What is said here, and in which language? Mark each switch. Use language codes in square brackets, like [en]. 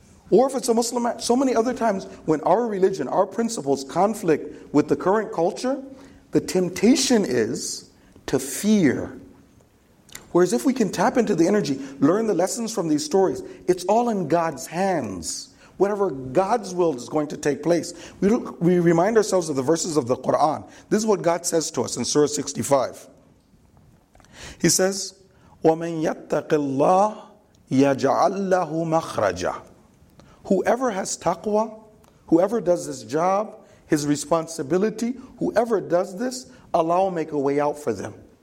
[en] Or if it's a Muslim, so many other times when our religion, our principles conflict with the current culture, the temptation is to fear. Whereas if we can tap into the energy, learn the lessons from these stories, it's all in God's hands. Whatever God's will is going to take place. We remind ourselves of the verses of the Quran. This is what God says to us in Surah 65. He says, [ar] وَمَنْ يَتَّقِ اللَّهِ يَجْعَلْ لَهُ مَخْرَجًا. [en] Whoever has taqwa, whoever does this job, his responsibility, whoever does this, Allah will make a way out for them.